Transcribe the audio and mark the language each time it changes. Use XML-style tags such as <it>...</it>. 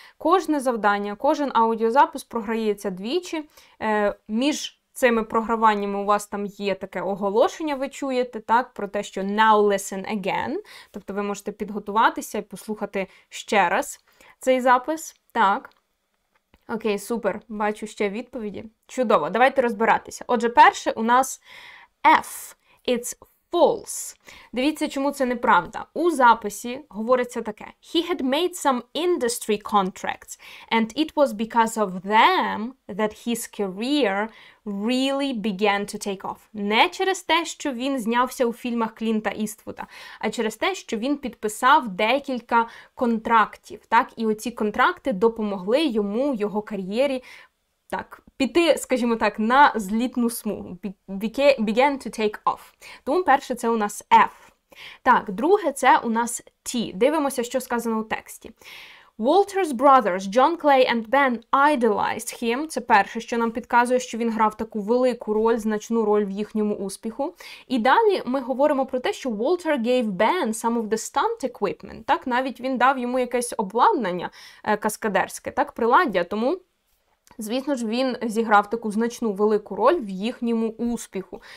<uk>Кожне завдання, кожен аудіозапис програється двічі, між цими програваннями у вас там є таке оголошення, ви чуєте, так, про те, що</uk> <en>now listen again,</en> <uk>тобто ви можете підготуватися і послухати ще раз цей запис, так. Окей, супер, бачу ще відповіді. Чудово, давайте розбиратися. Отже, перше у нас F,</uk> <en>it's false.</en> <uk>Дивіться, чому це неправда. У записі говориться таке.</uk> <en>He had made some industry contracts, and it was because of them that his career really began to take off.</en> <uk>Не через те, що він знявся у фільмах Клінта Іствуда, а через те, що він підписав декілька контрактів. Так? І оці контракти допомогли йому, його кар'єрі, так, піти, скажімо так, на злітну смугу.</uk> <en>Began to take off.</en> <uk>Тому перше це у нас F. Так, друге це у нас T. Дивимося, що сказано у тексті.</uk> <en>Walter's brothers, John Clay and Ben, idolized him.</en> <uk>Це перше, що нам підказує, що він грав таку велику роль, значну роль в їхньому успіху. І далі ми говоримо про те, що</uk> <en>Walter gave Ben some of the stunt equipment.</en> <uk>Так, навіть він дав йому якесь обладнання каскадерське, так, приладдя, тому звісно ж, він зіграв таку значну велику роль в їхньому успіху.</uk>